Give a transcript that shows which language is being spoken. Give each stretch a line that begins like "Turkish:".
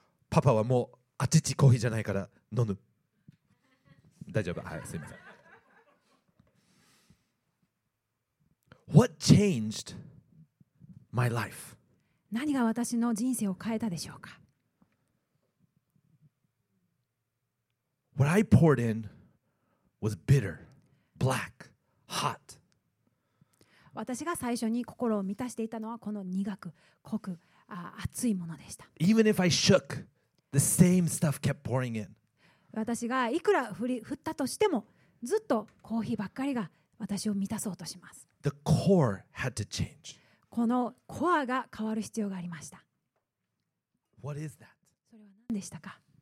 Japanese: パパはもうあちちコーヒーじゃないから飲む。大丈夫。はい、すみません。
English: What changed my life?
Japanese: 何が私の人生を変えたでしょうか。
English: What I poured in was bitter, black, hot.
Japanese: 私が最初に心を満たしていたのはこの苦く、濃く、熱いものでした。
English: Even if I shook, the same stuff kept pouring in.
Japanese: 私がいくら振ったとしても、ずっとコーヒーばっかりが私を満たそうとします。
English: The core had to change.
Japanese: このコアが変わる必要がありました。
English: What is that?
Japanese: それは何でしたか?